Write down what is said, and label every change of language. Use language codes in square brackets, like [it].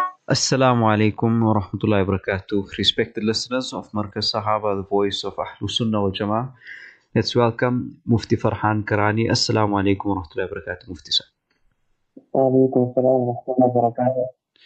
[ar] السلام عليكم ورحمة الله وبركاته. [en] Respected listeners of مركز صحابة, the voice of أهل السنة والجماعة. Let's welcome [ar] مفتي فرحان كراني. السلام عليكم ورحمة الله وبركاته مفتي سعد. وعليكم السلام ورحمة الله وبركاته.